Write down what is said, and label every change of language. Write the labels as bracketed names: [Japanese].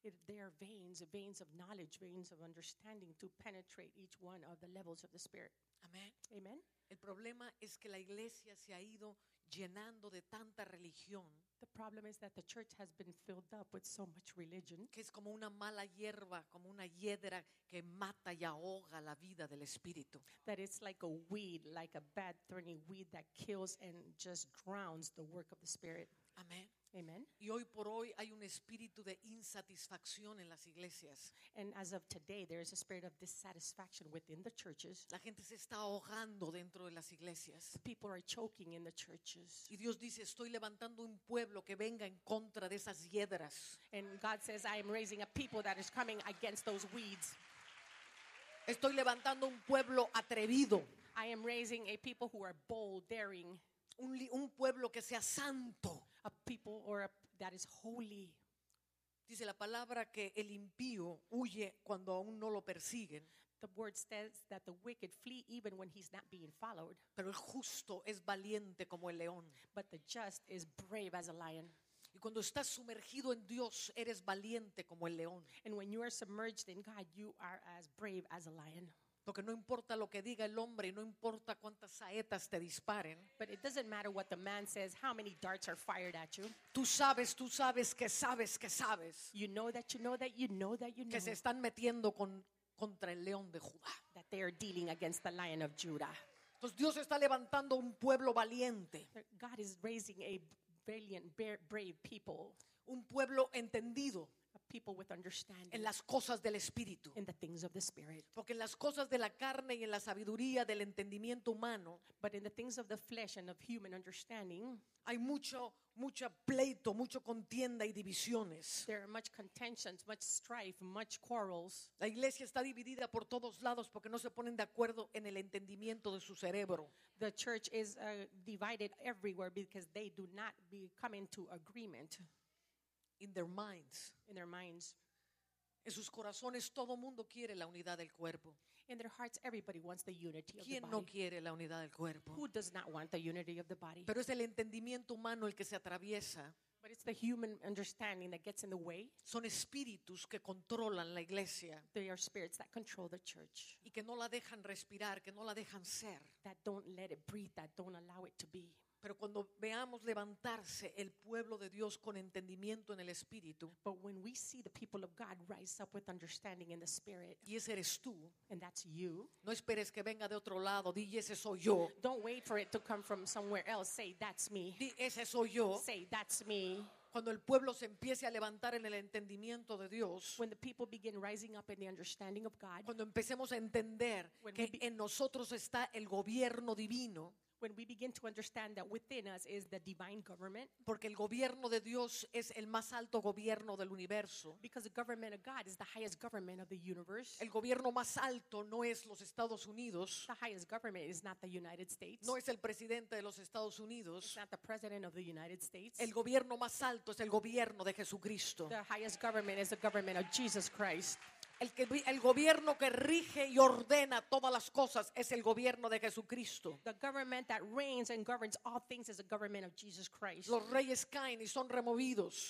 [English] They are veins of knowledge, veins of understanding to penetrate each one of the levels of the spirit. [Spanish] Amén. [English] Amen. [Spanish] El problema es que la iglesia se ha ido llenando de tanta religión. [English] The problem is that the church has been filled up with so much religion. [Spanish] Que es como una mala hierba, como una hiedra que mata y ahoga la vida del espíritu. [English] That it's like a weed, like a bad thorny weed that kills and just drowns the work of the spirit. [Spanish] Amén. [English] Amen. [Spanish] Y hoy por hoy hay un espíritu de insatisfacción en las iglesias. [English] And as of today, there is a spirit of dissatisfaction within the churches. [Spanish] La gente se está ahogando dentro de las iglesias. [English] People are choking in the churches. [Spanish] Y Dios dice, estoy levantando un pueblo que venga en contra de esas hiedras. [English] And God says, I am raising a people that is coming against those weeds. [Spanish] Estoy levantando un pueblo atrevido. [English] I am raising a people who are bold, daring. [Spanish] Un pueblo que sea santo. [English] A people or that is holy. [Spanish] Dice la palabra que el impío huye cuando aún no lo persiguen. [English] The word says that the wicked flee even when he's not being followed. [Spanish] Pero el justo es valiente como el león. [English] But the just is brave as a lion. [Spanish] Y cuando estás sumergido en Dios, eres valiente como el león. [English] And when you are submerged in God, you are as brave as a lion. [Spanish] Porque no importa lo que diga el hombre, no importa cuántas saetas te disparen. [English] But it doesn't matter what the man says, how many darts are fired at you. [Spanish] Tú sabes que sabes que sabes. [English] You know that you know that you know that you know. [Spanish] Que se están metiendo contra el león de Judá. [English] That they are dealing against the lion of Judah. [Spanish] Entonces Dios está levantando un pueblo valiente. [English] God is raising a valiant, brave people. [Spanish] Un pueblo entendido. [English] A people with understanding. [Spanish] En las cosas del espíritu. [English] In the things of the spirit. [Spanish] Porque en las cosas de la carne y en la sabiduría del entendimiento humano. [English] But in the things of the flesh and of human understanding. [Spanish] Hay mucho pleito, mucho contienda y divisiones. [English] There are much contentions, much strife, much quarrels. [Spanish] La iglesia está dividida por todos lados porque no se ponen de acuerdo en el entendimiento de su cerebro. [English] The church is divided everywhere because they do not be coming to agreement. In their minds. In their minds. [Spanish] En sus corazones todo mundo quiere la unidad del cuerpo. [English] In their hearts everybody wants the unity of the body. [Spanish] ¿Quién no quiere la unidad del cuerpo? [English] Who does not want the unity of the body? [Spanish] Pero es el entendimiento humano el que se atraviesa. [English] But it's the human understanding that gets in the way. [Spanish] Son espíritus que controlan la iglesia. [English] They are spirits that control the church. [Spanish] Y que no la dejan respirar, que no la dejan ser. [English] That don't let it breathe, that don't allow it to be. [Spanish] Pero cuando veamos levantarse el pueblo de Dios con entendimiento en el Espíritu, [English] but when we see the people of God rise up with understanding in the Spirit, [Spanish] y ese eres tú, [English] and that's you, [Spanish] no esperes que venga de otro lado, di ese soy yo. [English] Don't wait for it to come from somewhere else. Say that's me. [Spanish] Di ese soy yo. [English] Say that's me. [Spanish] Cuando el pueblo se empiece a levantar en el entendimiento de Dios, [English] when the people begin rising up in the understanding of God, [Spanish] cuando empecemos a entender que en nosotros está el gobierno divino, [English] when we begin to understand that within us is the divine government, [Spanish] porque el gobierno de Dios es el más alto gobierno del universo, [English] because the government of God is the highest government of the universe, [Spanish] el gobierno más alto no es los Estados Unidos, [English] the highest government is not the United States, [Spanish] no es el presidente de los Estados Unidos, [English] it's not the president of the United States, [Spanish] el gobierno más alto es el gobierno de Jesucristo, [English] the highest government is the government of Jesus Christ. [Spanish] El gobierno que rige y ordena todas las cosas es el gobierno de Jesucristo. [English] The government that reigns and governs all things is the government of Jesus Christ. [Spanish] Los reyes caen y son removidos.